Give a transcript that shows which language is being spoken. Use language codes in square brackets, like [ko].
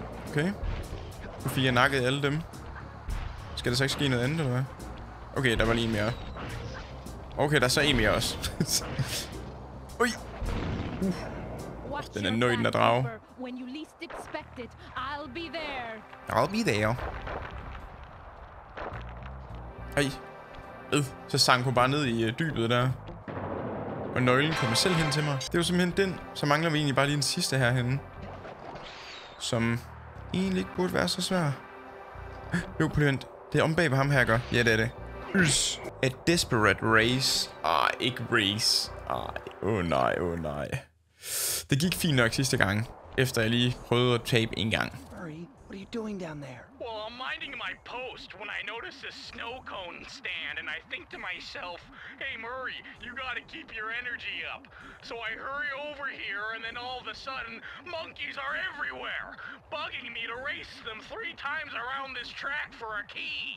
[da] Okay. Nu fik jeg nakket alle dem. Skal der så ikke ske noget andet, eller hvad? Okay, der var lige en mere. Okay, der er så en mere også. Ui! Den er nøgden at drage. [en] When you least expect it, I'll be there. I'll be there. [da] Ej. Så sank hun bare ned i dybet der. Og nøglen kommer selv hen til mig. Det er jo simpelthen den. Så mangler vi egentlig bare lige den sidste herhenne. Som egentlig ikke burde være så svær. Jo, prøv lige vent. Det er om bag ved ham her, gør. Ja, det er det. Ys. [en] A desperate race. [da] Ej, ikke race. Ej, åh nej. Det gik fint nok sidste gang. Efter jeg lige prøvede at tape en gang. [en] Murray, what are you doing down there? Well, I'm minding my post when I notice a snow cone stand and I think to myself, hey Murray, you gotta keep your energy up. So I hurry over here and then all of a sudden, monkeys are everywhere, bugging me to race them three times around this track for a key.